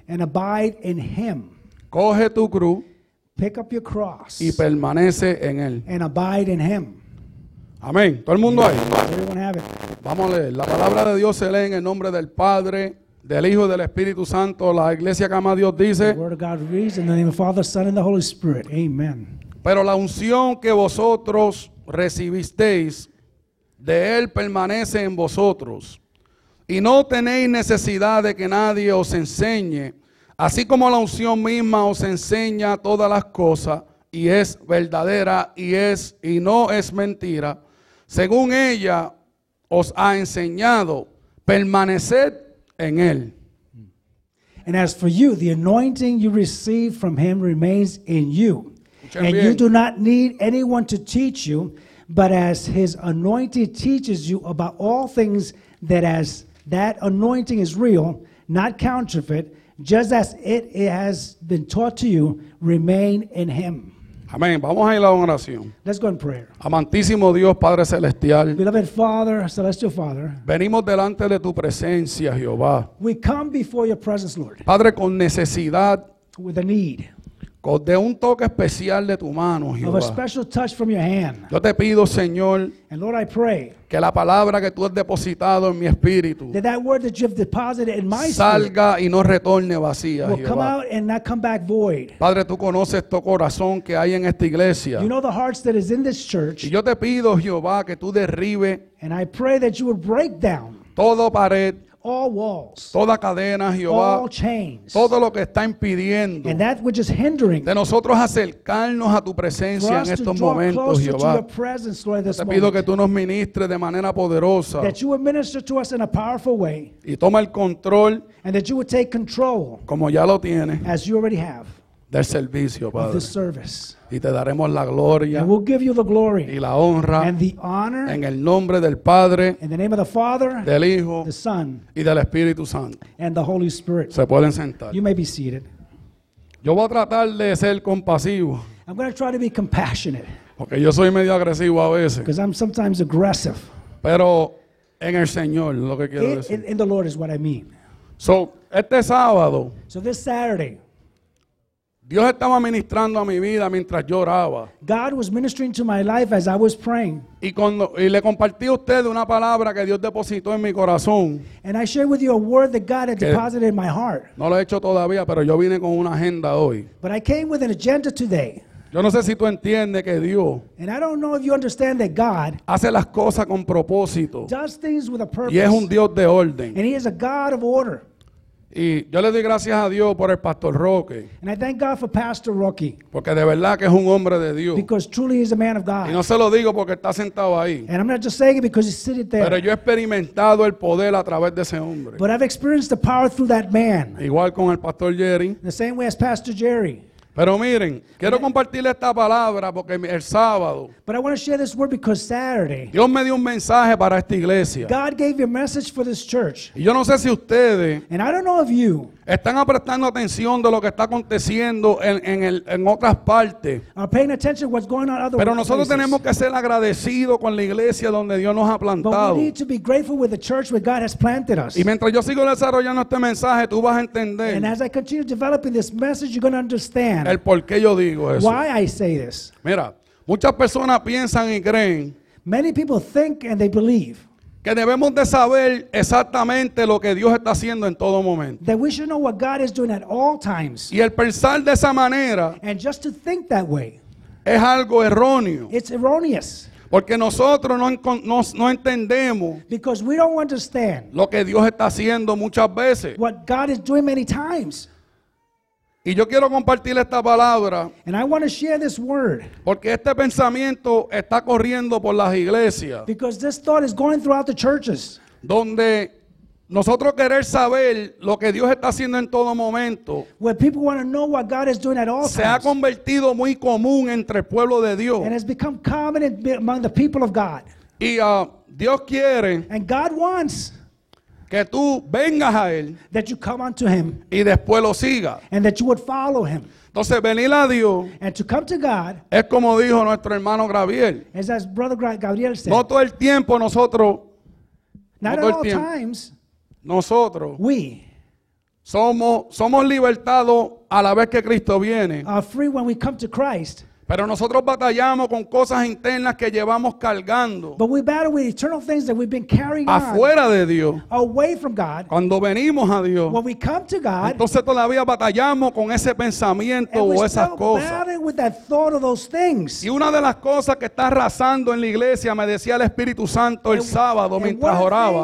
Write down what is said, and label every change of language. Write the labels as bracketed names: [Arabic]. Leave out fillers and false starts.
[English] and abide in him. [Spanish] Coge tu cruz, [English] pick up your cross, [Spanish] y permanece en él, [English] and abide in him. [Spanish] Amén. Todo el mundo ahí. [English] Everyone have it. [Spanish] Vamos a leer. La palabra de Dios se lee en el nombre del Padre, del Hijo y del Espíritu Santo. La iglesia que ama a Dios dice: [English] the word of God reads in the name of Father, Son, and the Holy Spirit. Amen. [Spanish] Pero la unción que vosotros recibisteis de él permanece en vosotros, y no tenéis necesidad de que nadie os enseñe, así como la unción misma os enseña todas las cosas, y es verdadera y no es mentira. Según ella os ha enseñado, permaneced en él. [English] And as for you, the anointing you receive from him remains in you. [Spanish] Escuchen [English] and [Spanish] bien. [English] You do not need anyone to teach you, but as his anointing teaches you about all things, that as that anointing is real, not counterfeit, just as it has been taught to you, remain in him. [Spanish] Amén. Vamos a ir a una oración. [English] Let's go in prayer. [Spanish] Amantísimo Dios, Padre Celestial. [English] Beloved Father, Celestial Father. [Spanish] Venimos delante de tu presencia, Jehová. [English] We come before your presence, Lord. [Spanish] Padre, con necesidad. [English] With a need. [Spanish] De un toque especial de tu mano, Jehová. [English] Of a special touch from your hand. [Spanish] Yo te pido, Señor. [English] And Lord, I pray. [Spanish] Que la palabra que tú has depositado en mi espíritu. [English] That word that you've deposited in my [Spanish] salga [English] spirit [Spanish] y no retorne vacía, [English] will [Spanish] Jehová. [English] Come out and not come back void. [Spanish] Padre, tú conoces tu corazón que hay en esta iglesia. [English] You know the hearts that is in this church. [Spanish] Y yo te pido, Jehová, que tú derribe. [English] And I pray that you would break down. [Spanish] Todo pared. [English] All walls, [Spanish] toda cadena, Jehová, [English] all chains, [Spanish] todo lo que está impidiendo, [English] and that which is hindering, [Spanish] de nosotros acercarnos a tu presencia en estos momentos, Jehová. [English] To your presence, Lord, this [Spanish] te pido que tú nos ministres de manera poderosa, [English] that you would minister to us in a powerful way, [Spanish] y toma el control, [English] and that you would take control, [Spanish] como ya lo tienes, [English] as you already have, [Spanish] del servicio, Padre, [English] of this service. [Spanish] Y te daremos la gloria, [English] and we'll give you the glory, [Spanish] y la honra, [English] and the honor, [Spanish] en el nombre del Padre, [English] in the name of the Father, [Spanish] del Hijo, [English] the Son, [Spanish] y del Espíritu Santo, [English] and the Holy Spirit. [Spanish] Se pueden sentar. [English] You may be seated. [Spanish] Yo voy a tratar de ser compasivo. [English] I'm going to try to be compassionate. [Spanish] Porque yo soy medio agresivo a veces. [English] Because I'm sometimes aggressive. [Spanish] Pero en el Señor, lo que quiero decir. [English] In the Lord is what I mean. [Spanish] So, este sábado. [English] So this Saturday. [Spanish] Dios estaba ministrando a mi vida mientras yo oraba. [English] God was ministering to my life as I was praying. [Spanish] Y le compartí a ustedes una palabra que Dios depositó en mi corazón. [English] And I shared with you a word that God had deposited in my heart. [Spanish] No lo he hecho todavía, pero yo vine con una agenda hoy. [English] But I came with an agenda today. [Spanish] Yo no sé si tú entiendes que Dios, [English] and I don't know if you understand that God, [Spanish] hace las cosas con propósito. [English] Does things with a purpose. [Spanish] Y es un Dios de orden. [English] And he is a God of order. [Spanish] Y yo le doy gracias a Dios por el Pastor Roque. [English] And I thank God for Pastor Rocky. [Spanish] Porque de verdad que es un hombre de Dios. [English] Because truly he's a man of God. [Spanish] Y no se lo digo porque está sentado ahí. [English] And I'm not just saying it because he's sitting there. [Spanish] Pero yo he experimentado el poder a través de ese hombre. [English] But I've experienced the power through that man. [Spanish] Igual con el Pastor Jerry. [English] The same way as Pastor Jerry. [Spanish] Pero miren, quiero compartirle esta palabra porque el sábado. [English] But I want to share this word because Saturday. [Spanish] Dios me dio un mensaje para esta iglesia. [English] God gave you a message for this church. [Spanish] Y yo no sé si ustedes. [English] And I don't know if you. [Spanish] Están prestando atención de lo que está aconteciendo en otras partes. [English] Are paying attention to what's going on other [Spanish] Pero nosotros [English] places. [Spanish] Tenemos que ser agradecidos con la iglesia donde Dios nos ha plantado. [English] But we need to be grateful with the church where God has planted us. [Spanish] Y mientras yo sigo desarrollando este mensaje, tú vas a entender. [English] And as I continue developing this message, you're going to understand. [Spanish] El por qué yo digo eso. [English] Why I say this. [Spanish] Mira, muchas personas piensan y creen. [English] Many people think and they believe. [Spanish] Que debemos de saber exactamente lo que Dios está haciendo en todo momento. [English] That we should know what God is doing at all times. [Spanish] Y el pensar de esa manera. [English] And just to think that way. [Spanish] Es algo erróneo. [English] It's erroneous. [Spanish] Porque nosotros no entendemos. [English] Because we don't understand. [Spanish] Lo que Dios está haciendo muchas veces. [English] What God is doing many times. [Spanish] Y yo quiero compartir esta palabra. [English] And I want to share this word. [Spanish] Porque este pensamiento está corriendo por las iglesias. [English] Because this thought is going throughout the churches. [Spanish] Donde nosotros queremos saber lo que Dios está haciendo en todo momento. [English] Where people want to know what God is doing at all times. [Spanish] Se ha convertido muy común entre el pueblo de Dios. [English] And it's become common among the people of God. [Spanish] Y Dios quiere. [English] And God wants. [Spanish] que tú vengas a él, [English] that you come unto him, [Spanish] y después lo sigas, [English] and that you would follow him. [Spanish] Entonces venir a Dios, [English] and to come to God, [Spanish] es como dijo nuestro hermano Gabriel, [English] is as brother Gabriel said, [Spanish] no todo el tiempo nosotros, [English] not [Spanish] todo [English] at [Spanish] el [English] all [Spanish] tiempo, [English] times, [Spanish] nosotros, [English] we, [Spanish] somos libertados a la vez que Cristo viene, [English] are free when we come to Christ. [Spanish] Pero nosotros batallamos con cosas internas que llevamos cargando. [English] But we battle with eternal things that we've been carrying [Spanish] afuera [English] on, [Spanish] de Dios. [English] Away from God. [Spanish] Cuando venimos a Dios. [English] When we come to God. [Spanish] Entonces todavía batallamos con ese pensamiento [English] and [Spanish] o esas cosas. [English] We're still battling with that thought of those things. [Spanish] Y una de las cosas que está arrasando en la iglesia, me decía el Espíritu Santo el sábado mientras oraba.